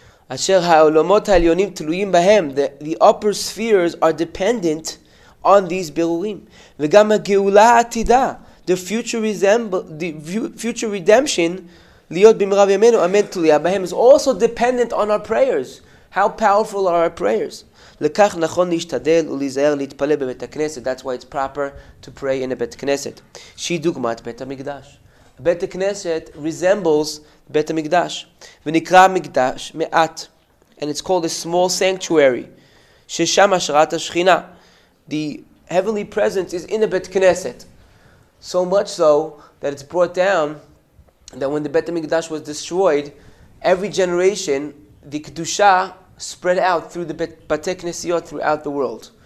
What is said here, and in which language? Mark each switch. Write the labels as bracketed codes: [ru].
[he] Asher ha'olomot ha'elyonim teluyim bahem, [en] the upper spheres are dependent on these birurim. [he] V'gam ha'geula atida, [en] the future redemption, [he] liot b'mirav yamenu amen tuliyah bahem, [en] is also dependent on our prayers. How powerful are our prayers? [he] לכך נכון להשתדל ולהיזהר להתפלל בבית הכנסת. [en] That's why it's proper to pray in a בית כנסת. [he] שהיא דוגמת בית המקדש. [en] בית הכנסת resembles בית המקדש. [he] ונקרא המקדש מעט. [en] And it's called a small sanctuary. [he] ששם השרת השכינה. [en] The heavenly presence is in a בית כנסת. So much so that it's brought down that when the בית המקדש was destroyed, every generation, the קדושה, spread out through the Bate Knesiot throughout the world.